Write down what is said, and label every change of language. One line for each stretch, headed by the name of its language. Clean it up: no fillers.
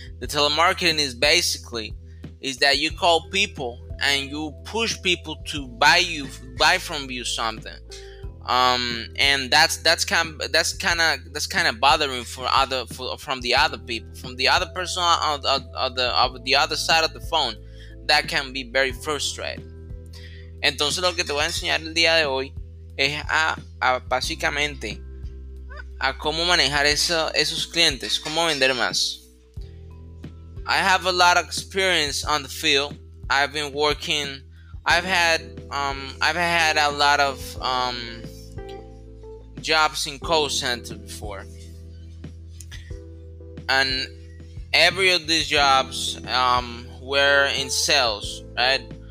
English: The telemarketing is basically, is that you call people and you push people to buy from you something. And that's kind of bothering from the other side of the phone. That can be very frustrating.
Spanish: Entonces lo que te voy a enseñar el día de hoy es a básicamente a cómo manejar esos clientes, cómo vender más.
English: I have a lot of experience on the field. I've been working. I've had a lot of jobs in call center before. And every of these jobs were in sales, right?